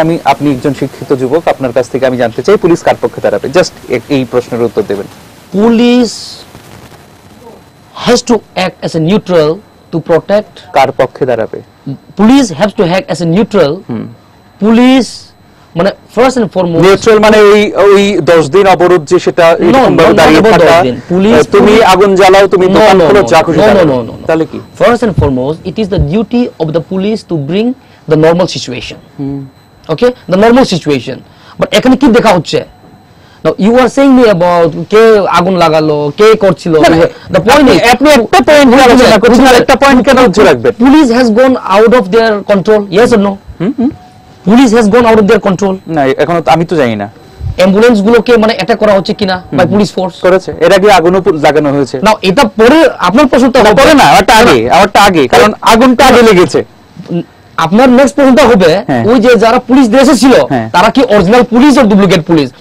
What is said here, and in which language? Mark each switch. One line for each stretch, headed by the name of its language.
Bangla: আপনি একজন শিক্ষিত যুবক, আপনার কাছ থেকে আমি জানতে চাই পুলিশ কার পক্ষে দাঁড়াবে, জাস্ট এই প্রশ্নের উত্তর দেবেন।
English: police has to act as a neutral to protect,
Bangla: কার পক্ষে দাঁড়াবে?
English: Police have to act as a neutral. Police মানে first and foremost
Bangla: neutral মানে ওই 10 দিন অবরোধ যে সেটা এরকমভাবে দাঁড়িয়ে থাকা, পুলিশ তুমি আগুন জ্বালাও, তুমি দোকান খোলো, যা খুশি দাঁড়াও, তাহলে কি?
English: First and foremost it is the duty of the police to bring the normal situation. Okay, the normal situation, but
Bangla: এখানে কি দেখা হচ্ছে?
English: Now you are saying me about
Bangla: কে আগুন লাগালো, কে করছিল,
English: the point is
Bangla: আপনি একটা পয়েন্ট ধরে রাখছেন, না করছেন আর একটা পয়েন্ট কেন উঠে রাখবে?
English: Police has gone out of their control, yes or no? Police has gone out of their control,
Bangla: না এখন আমি তো জানি না অ্যাম্বুলেন্স গুলোকে মানে অ্যাটাক করা হচ্ছে কিনা
English: By police force?
Bangla: করেছে, এর আগে আগুনও লাগানো হয়েছে। নাও এটা পরে আপনার প্রশ্নটা হবে, না এটা আগে, আমারটা আগে, কারণ আগুনটা আগে লেগেছে। আপনার নেক্সট পয়েন্টটা হবে ওই যে যারা পুলিশ দেশে ছিল তারা কি অরিজিনাল পুলিশ আর ডুপ্লিকেট পুলিশ?